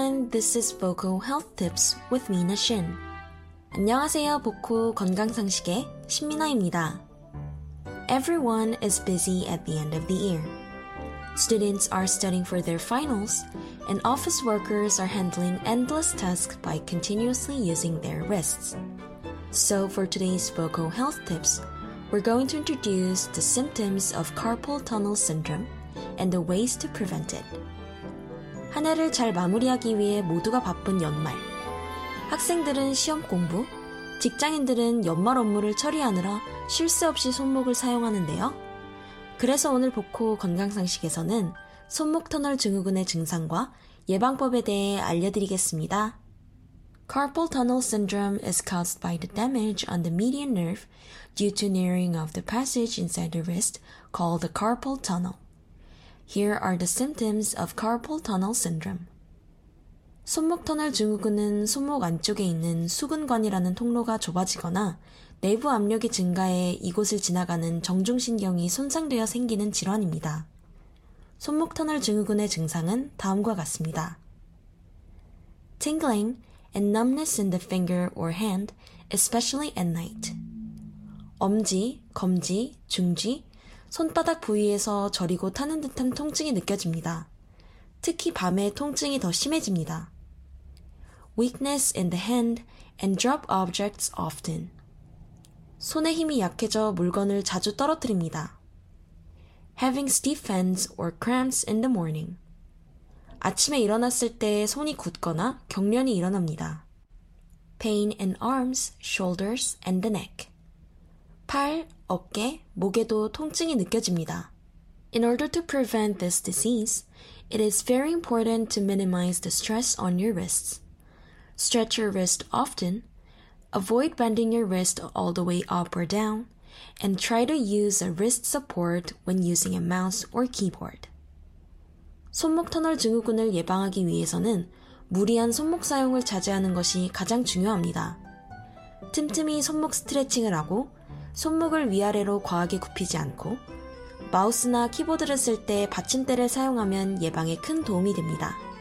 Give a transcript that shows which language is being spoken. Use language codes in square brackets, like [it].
[en] This is Vocal Health Tips with Mina Shin. [ko] 안녕하세요. 보코 건강상식의 신미나입니다. [en] Everyone is busy at the end of the year. Students are studying for their finals, and office workers are handling endless tasks by continuously using their wrists. So for today's Vocal Health Tips, we're going to introduce the symptoms of carpal tunnel syndrome and the ways to prevent it. [ko] 한 해를 잘 마무리하기 위해 모두가 바쁜 연말. 학생들은 시험 공부, 직장인들은 연말 업무를 처리하느라 쉴 새 없이 손목을 사용하는데요. 그래서 오늘 보코 건강상식에서는 손목 터널 증후군의 증상과 예방법에 대해 알려드리겠습니다. [en] Carpal tunnel syndrome is caused by the damage on the median nerve due to narrowing of the passage inside the wrist called the carpal tunnel. Here are the symptoms of carpal tunnel syndrome. [ko] 손목 터널 증후군은 손목 안쪽에 있는 수근관이라는 통로가 좁아지거나 내부 압력이 증가해 이곳을 지나가는 정중신경이 손상되어 생기는 질환입니다. 손목 터널 증후군의 증상은 다음과 같습니다. [en] Tingling and numbness in the finger or hand, especially at night. [ko] 엄지, 검지, 중지, 손바닥 부위에서 저리고 타는 듯한 통증이 느껴집니다. 특히 밤에 통증이 더 심해집니다. [en] Weakness in the hand and drop objects often. [ko] 손의 힘이 약해져 물건을 자주 떨어뜨립니다. [en] Having stiff hands or cramps in the morning. [ko] 아침에 일어났을 때 손이 굳거나 경련이 일어납니다. [en] Pain in arms, shoulders, and the neck. [ko] 팔, 어깨, 목에도 통증이 느껴집니다. [en] In order to prevent this disease, it is very important to minimize the stress on your wrists. Stretch your wrist often, avoid bending your wrist all the way up or down, and try to use a wrist support when using a mouse or keyboard. [ko] 손목 터널 증후군을 예방하기 위해서는 무리한 손목 사용을 자제하는 것이 가장 중요합니다. 틈틈이 손목 스트레칭을 하고 손목을 위아래로 과하게 굽히지 않고 마우스나 키보드를 쓸 때 받침대를 사용하면 예방에 큰 도움이 됩니다.